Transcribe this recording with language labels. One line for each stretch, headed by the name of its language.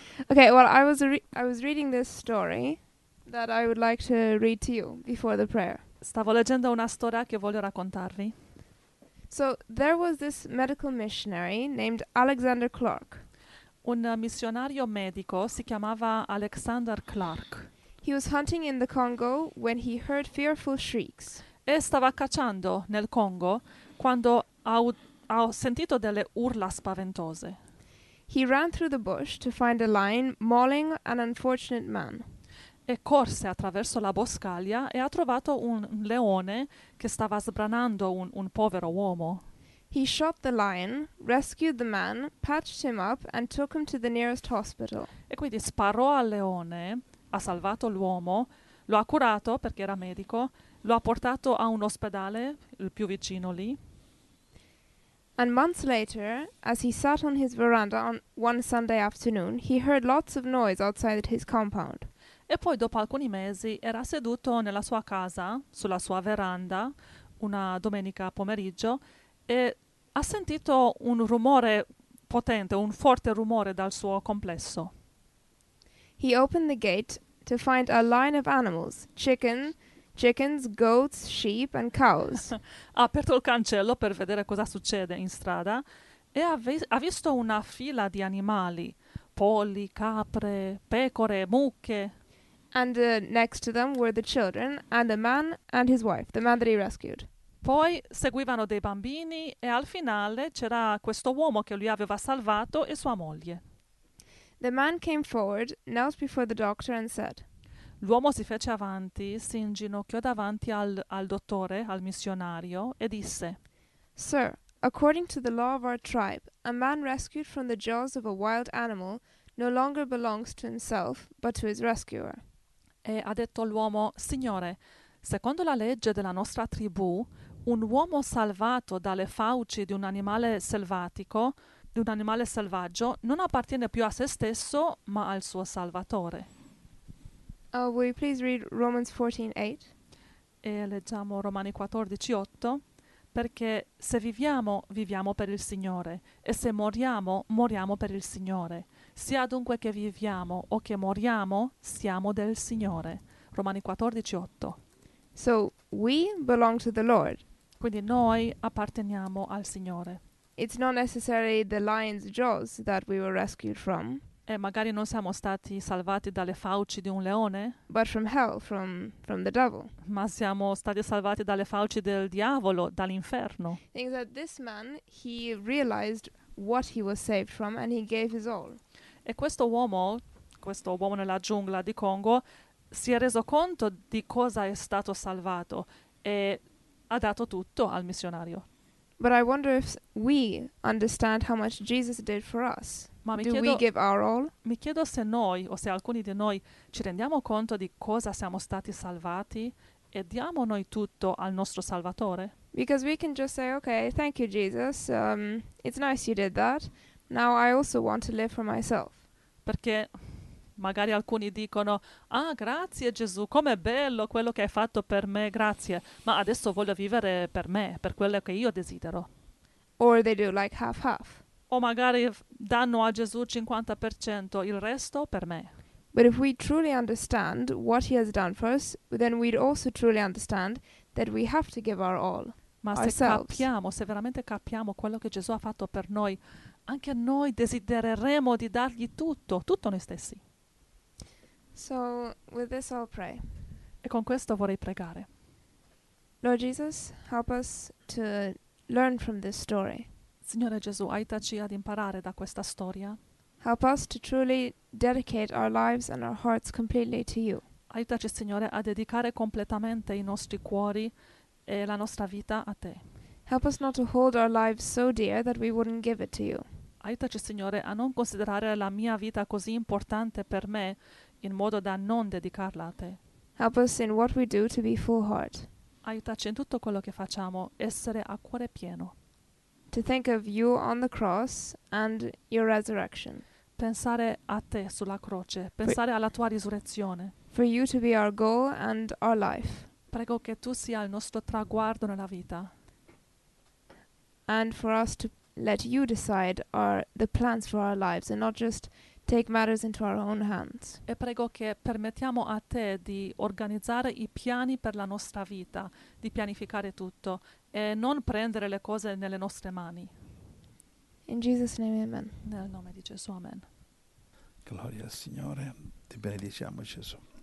English: Okay, well, I was reading this story... That I would like to read to you before the prayer.
Italian: Stavo leggendo una storia che voglio raccontarvi.
English: So there was this medical missionary named Alexander Clark.
Italian: Un missionario medico si chiamava Alexander Clark.
English: He was hunting in the Congo when he heard fearful shrieks.
Italian: E stava cacciando nel Congo quando ha sentito delle urla spaventose.
English: He ran through the bush to find a lion mauling an unfortunate man.
Italian: E corse attraverso la boscaglia e ha trovato un leone che stava sbranando un povero uomo.
English: He shot the lion, rescued the man, patched him up, and took him to the nearest hospital.
Italian: E quindi sparò al leone, ha salvato l'uomo, lo ha curato perché era medico, lo ha portato a un ospedale, il più vicino lì.
English: And months later, as he sat on his veranda on one Sunday afternoon, he heard lots of noise outside his compound.
Italian: E poi dopo alcuni mesi era seduto nella sua casa, sulla sua veranda, una domenica pomeriggio, e ha sentito un rumore potente, un forte rumore dal suo complesso.
English: He opened the gate to find a line of animals, chickens, goats, sheep and cows.
Italian: Ha aperto il cancello per vedere cosa succede in strada e ha visto una fila di animali, polli, capre, pecore, mucche.
English: And next to them were the children and the man and his wife, the man that he rescued.
Italian: Poi seguivano dei bambini e al finale c'era questo uomo che lui aveva salvato e sua moglie.
English: The man came forward, knelt before the doctor and said,
Italian: l'uomo si fece avanti, si inginocchiò davanti al dottore, al missionario, e disse,
English: sir, according to the law of our tribe, a man rescued from the jaws of a wild animal no longer belongs to himself, but to his rescuer.
Italian: E ha detto l'uomo, signore, secondo la legge della nostra tribù, un uomo salvato dalle fauci di un animale selvatico, di un animale selvaggio, non appartiene più a se stesso, ma al suo salvatore.
English: Will you please read Romans 14:8?
Italian: E leggiamo Romani 14:8, perché se viviamo, viviamo per il Signore, e se moriamo, moriamo per il Signore. Sia dunque che viviamo o che moriamo, siamo del Signore. Romani 14:8.
English: So we belong to the Lord.
Italian: Quindi noi apparteniamo al Signore.
English: It's not necessarily the lion's jaws that we were rescued from.
Italian: E magari non siamo stati salvati dalle fauci di un leone.
English: But from hell, from the devil.
Italian: Ma siamo stati salvati dalle fauci del diavolo, dall'inferno.
English: Things that this man, he realized what he was saved from and he gave his all.
Italian: E questo uomo nella giungla di Congo, si è reso conto di cosa è stato salvato e ha dato tutto al missionario.
English: But I wonder if we understand how much Jesus did for us.
Italian: Ma
English: do we give our all?
Italian: Mi chiedo se noi o se alcuni di noi ci rendiamo conto di cosa siamo stati salvati e diamo noi tutto al nostro Salvatore.
English: Because we can just say, okay, thank you Jesus, it's nice you did that. Now I also want to live for myself.
Italian: Perché magari alcuni dicono, ah grazie Gesù, com'è bello quello che hai fatto per me, grazie, ma adesso voglio vivere per me, per quello che io desidero.
English: Or they do like half-half.
Italian: O magari danno a Gesù 50%, il resto per me.
English: But if we truly understand what he has done for us, then we'd also truly understand that we have to give our all,
Italian: ma
English: ourselves.
Italian: Ma se veramente capiamo quello che Gesù ha fatto per noi, anche noi desidereremo di dargli tutto noi stessi.
English: So, with this I'll pray.
Italian: E con questo vorrei pregare.
English: Lord Jesus, help us to learn from this story.
Italian: Signore Gesù, aiutaci ad imparare da questa storia.
English: Help us to truly dedicate our lives and our hearts completely to you.
Italian: Aiutaci, Signore, a dedicare completamente i nostri cuori e la nostra vita a te.
English: Help us not to hold our lives so dear that we wouldn't give it to you.
Italian: Aiutaci, Signore, a non considerare la mia vita così importante per me in modo da non dedicarla a te.
English: Help us in what we do to be full heart.
Italian: Aiutaci in tutto quello che facciamo essere a cuore pieno.
English: To think of you on the cross and your resurrection.
Italian: Pensare a te sulla croce, pensare alla tua risurrezione.
English: For you to be our goal and our life.
Italian: Prego che tu sia il nostro traguardo nella vita.
English: And for us to let you decide the plans for our lives and not just take matters into our own hands.
Italian: E prego che permettiamo a te di organizzare i piani per la nostra vita, di pianificare tutto e non prendere le cose nelle nostre mani.
English: In Jesus' name, amen.
Italian: Nel nome di Gesù, amen. Gloria al Signore, ti benediciamo Gesù.